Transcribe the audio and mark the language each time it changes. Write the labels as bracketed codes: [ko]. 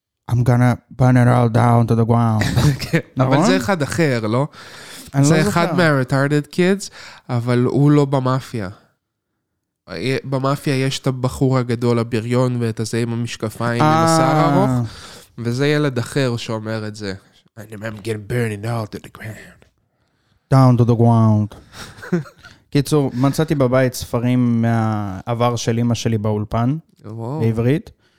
[en] I'm gonna burn it all down to the ground. [he] כן, אבל זה אחד אחר, לא? זה אחד מה- [en] retarded kids, [he] אבל הוא לא במאפיה. במאפיה יש את הבחור הגדול, הבריון, ואת הזה עם המשקפיים, עם השר ארוך, וזה ילד אחר שאומר את זה. [en] I'm gonna burn it all to the ground. Down to the ground. [he] קיצור, מצאתי בבית ספרים מהעבר של אמא שלי באולפן, בעברית.